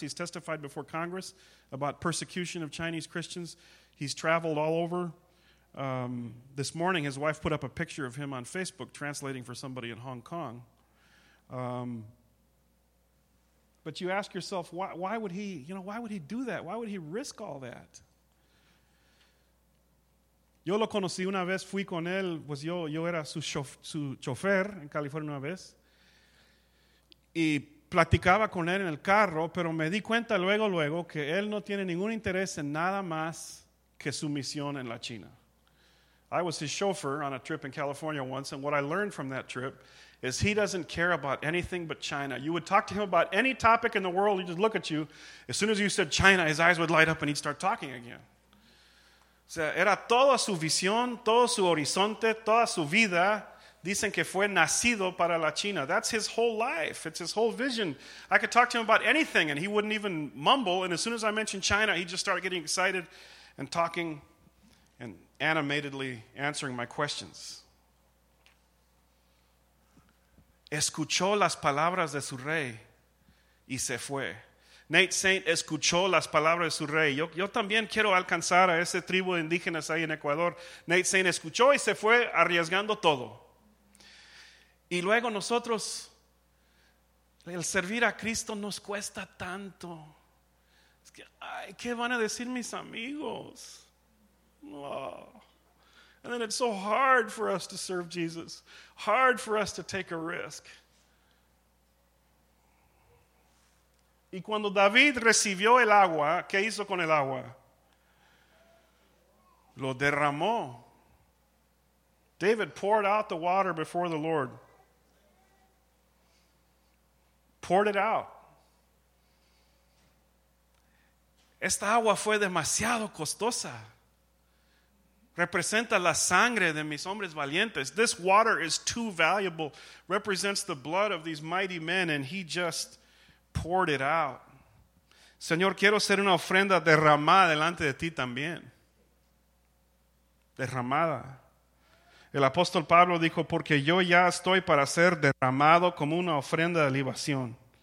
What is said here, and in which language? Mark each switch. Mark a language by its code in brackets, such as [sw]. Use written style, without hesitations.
[en] He's testified before Congress about persecution of Chinese Christians. He's traveled all over. This morning, his wife put up a picture of him on Facebook translating for somebody in Hong Kong. But you ask yourself, why would he, you know, why would he do that? Why would he risk all that? [es] Yo lo conocí una vez, fui con él, pues yo era su chofer en California una vez. Y platicaba con él en el carro, pero me di cuenta luego que él no tiene ningún interés en nada más que su misión en la China. [en] I was his chauffeur on a trip in California once, and what I learned from that trip is he doesn't care about anything but China. You would talk to him about any topic in the world, he'd just look at you. As soon as you said China, his eyes would light up and he'd start talking again. [es] O sea, era toda su visión, todo su horizonte, toda su vida. Dicen que fue nacido para la China. [en] That's his whole life. It's his whole vision. I could talk to him about anything and he wouldn't even mumble. And as soon as I mentioned China, he just started getting excited and talking and animatedly answering my questions. [es] Escuchó las palabras de su rey y se fue. Nate Saint escuchó las palabras de su rey. Yo también quiero alcanzar a ese tribu de indígenas ahí en Ecuador. Nate Saint escuchó y se fue arriesgando todo. Y luego nosotros, el servir a Cristo nos cuesta tanto. Es que, ay, ¿qué van a decir mis amigos? Oh. [en] And then it's so hard for us to serve Jesus. Hard for us to take a risk. [es] Y cuando David recibió el agua, ¿qué hizo con el agua? Lo derramó. [en] David poured out the water before the Lord. Poured it out. [es] Esta agua fue demasiado costosa. Representa la sangre de mis hombres valientes. [en] This water is too valuable. Represents the blood of these mighty men, and he just poured it out. [es] Señor, quiero ser una ofrenda derramada delante de ti también. Derramada. El apóstol Pablo dijo, porque yo ya estoy para ser derramado como una ofrenda de libación.